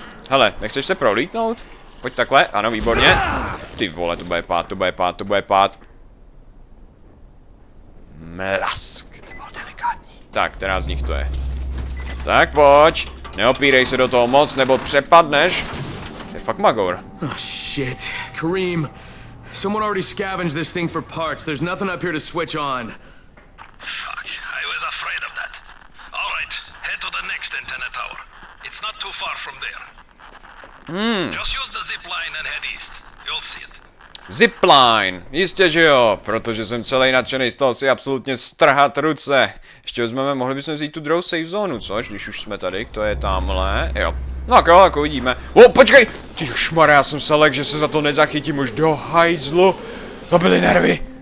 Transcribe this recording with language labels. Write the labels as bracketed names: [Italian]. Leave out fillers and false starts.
[Czech] Hele, nechceš se prolítnout? Pojď takhle, ano, výborně. Ty vole, to bude pát. Mlask, ty byl delikátní. Tak, která z nich to je? Tak pojď, neopírej se do toho moc, nebo přepadneš. Je fakt magor. [English] Oh shit, Kareem. Someone already scavenged this thing for parts, there's nothing up here to switch on. Fuck, I was afraid of that. Alright, head to the next antenna tower. It's not too far from there. Just use the zip line and head east. You'll see it. [Czech] Zipline, jistě že jo, protože jsem celý nadšený z toho si absolutně strhat ruce. Ještě vezmeme, mohli bychom vzít tu druhou safe zónu, což, když už jsme tady, to je tamhle, jo. No tak jo, tak uvidíme. O, počkej, tyšmar, já jsem se lek, že se za to nezachytím už do hajzlu. To byly nervy.